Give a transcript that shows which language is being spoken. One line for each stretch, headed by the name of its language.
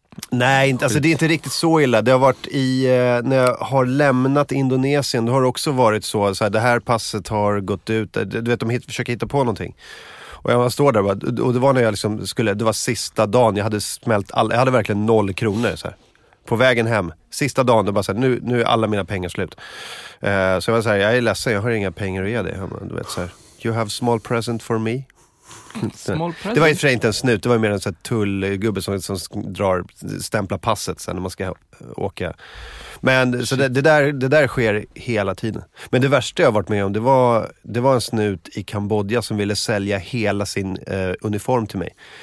Swedish: Nej, inte, alltså det är inte riktigt så illa. Det har varit i när jag har lämnat Indonesien. Då har det också varit så här, det här passet har gått ut. Du vet, de försöker hitta på någonting. Och jag står där bara, och det var när jag liksom skulle, det var sista dagen. Jag hade verkligen 0 kronor så här. på vägen hem, sista dagen, då bara såhär, nu är alla mina pengar slut. Så jag var såhär, jag är ledsen, jag har inga pengar att ge dig. Du vet såhär,
English: you have small present for me. Small present.
Swedish: Det var ju för inte en snut, det var mer en såhär tullgubbe som drar, stämplar passet sen när man ska åka. Men så det där sker hela tiden. Men det värsta jag har varit med om, det var en snut i Kambodja som ville sälja hela sin uniform till mig.